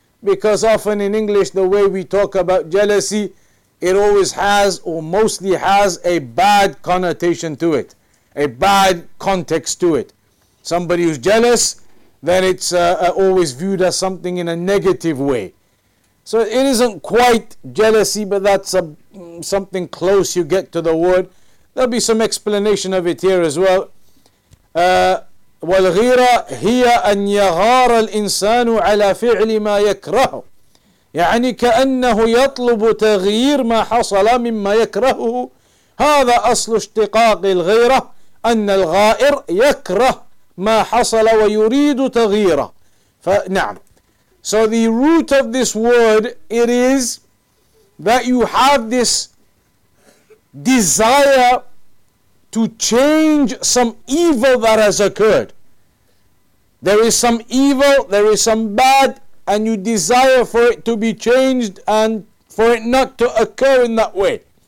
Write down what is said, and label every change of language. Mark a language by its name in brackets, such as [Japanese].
[English] Because often in English, the way we talk about jealousy, it always has or mostly has a bad connotation to it, a bad context to it. Somebody who's jealous, then it's always viewed as something in a negative way. So it isn't quite jealousy, but that's something close you get to the word. There'll be some explanation of it here as well. [Arabic] والغيرة هي أن يغار الإنسان على فعل ما يكره يعني كأنه يطلب تغيير ما حصل مما يكرهه هذا أصل اشتقاق الغيرة أن الغائر يكره ما حصل ويريد تغييره فنعم. [English] So the root of this word, it is that you have this desire to change some evil that has occurred. There is some evil, there is some bad, and you desire for it to be changed and for it not to occur in that way.